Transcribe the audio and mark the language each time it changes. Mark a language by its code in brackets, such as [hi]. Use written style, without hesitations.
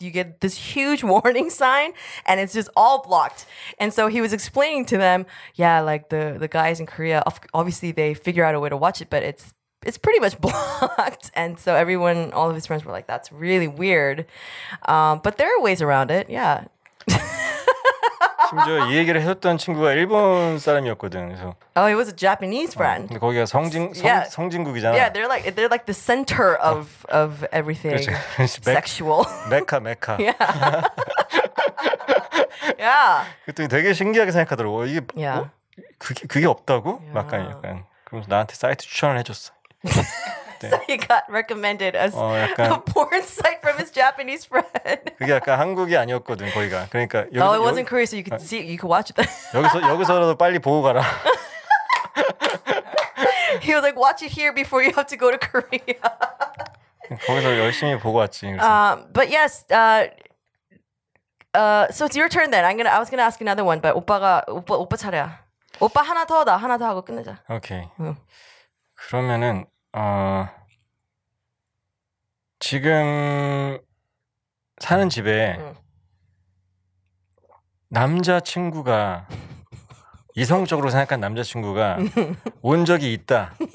[en] You get this huge warning sign and it's just all blocked. And so he was explaining to them, yeah, like the guys in Korea, obviously they figure out a way to watch it, but it's pretty much blocked. And so everyone, all of his friends were like, that's really weird. But there are ways around it, yeah. [ko] 심지어 이 얘기를 했었던 친구가 일본 사람이었거든. 그래서 [en] oh, it was a Japanese friend. [ko] 근데 거기가 yeah. 성진국이잖아. [en] Yeah, they're like the center of everything sexual. Mecca. Yeah. Yeah. [ko] 그랬더니 되게 신기하게 생각하더라고. 이게 yeah. 그게 없다고? Yeah. 약간. 그러면서 나한테 사이트 추천을 해줬어. [en] So he got recommended as a porn site from his Japanese friend. [ko] 그게 약간 한국이 아니었거든 거기가. 그러니까 [en] 여기서, oh, it wasn't Korea, so you could see, you could watch that. [ko] 여기서라도 빨리 보고 가라. [en] He was like, watch it here before you have to go to Korea. [ko] 거기서 열심히 보고 왔지. [en] But yes, so it's your turn then. I was gonna ask another one, but [ko] 오빠 차례야. 오빠 하나 더 하고 끝내자. [en] 오케이. Okay. [ko] 그러면은 지금 사는 집에 남자친구가 이성적으로 생각한 남자친구가 온 적이 있다.